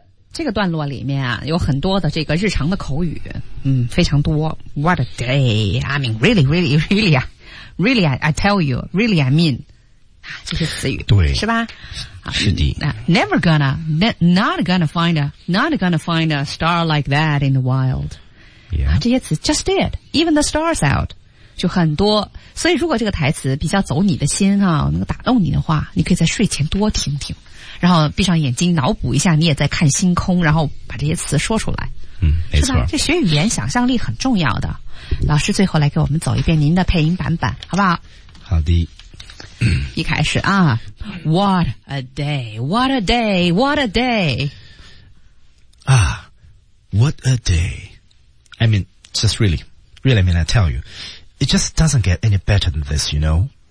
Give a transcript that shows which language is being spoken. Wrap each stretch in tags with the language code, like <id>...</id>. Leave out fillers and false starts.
<zh>这个段落里面啊，有很多的这个日常的口语，嗯，非常多。</zh> <en>What a day! I mean, really, really, really, really, I tell you, really, I mean,</en> <zh>这些词语，对，是吧？是的。</zh> <en>Never gonna, not gonna find a, not gonna find a star like that in the wild. Yeah.</en> <zh>这些词</zh> <en>just did, even the stars out.</en> <zh>就很多，所以如果这个台词比较走你的心啊，能够打动你的话，你可以在睡前多听听，然后闭上眼睛脑补一下你也在看星空，然后把这些词说出来。嗯，没错，是吧？这学语言想象力很重要的。老师最后来给我们走一遍您的配音版本好不好？好的。一开始啊，</zh> <en>What a day, what a day, what a day. Ah, what a day. I mean, just really, really, I mean, I tell youIt just doesn't get any better than this, you know?</en>